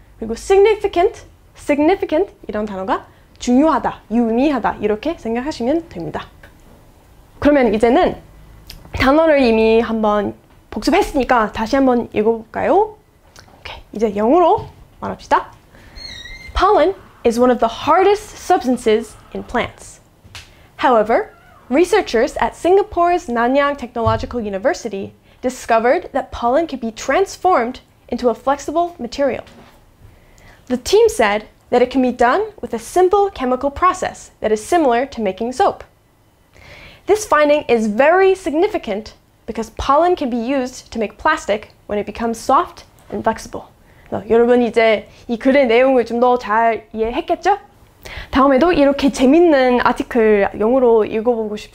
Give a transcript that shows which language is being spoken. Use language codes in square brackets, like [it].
[ko] 그리고 significant 이런 단어가 중요하다, 유의미하다 이렇게 생각하시면 됩니다. 그러면 이제는 단어를 이미 한번 복습했으니까 다시 한번 읽어볼까요? 오케이, 이제 영어로 말합시다. [en] Pollen is one of the hardest substances in plants. However, researchers at Singapore's Nanyang Technological University discovered that pollen can be transformed into a flexible material. The team said that it can be done with a simple chemical process that is similar to making soap. This finding is very significant because pollen can be used to make plastic when it becomes soft and flexible. [ko] 여러분 이제 이 글의 내용을 좀 더 잘 이해했겠죠? 다음에도 이렇게 재밌는 아티클 영어로 읽어보고 싶으시면 구독하시고 코멘트도 남겨주시길 바랍니다.